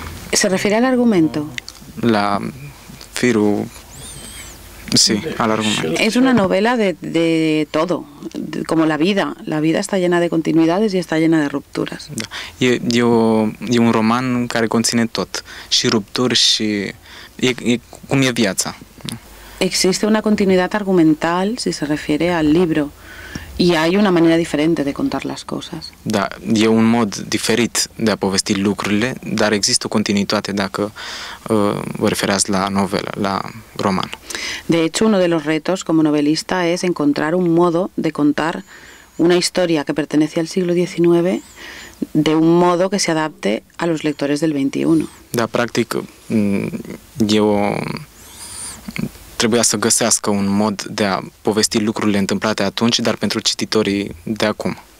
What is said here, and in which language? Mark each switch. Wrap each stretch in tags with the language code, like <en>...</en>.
<es>¿Se refiere al argumento? La firu Sí, a largo momento. Es una novela de todo, de, como la vida. La vida está llena de continuidades y está llena de rupturas.</es> <ro>Da. E un roman care conține tot, și rupturi și e cum e viața.</ro> <es>Existe una continuidad argumental si se refiere al libro y hay una manera diferente de contar las cosas.</es> <ro>Da, e un mod diferit de a povesti lucrurile, dar există o continuitate dacă vă referați la novela, la roman.</ro> <es>De hecho, uno de los retos como novelista es encontrar un modo de contar una historia que pertenece al siglo XIX de un modo que se adapte a los lectores del XXI.</es> <ro>Da, practic, eu trebuia să găsească un mod de a povesti lucrurile întâmplate atunci, dar pentru cititorii de acum.</ro>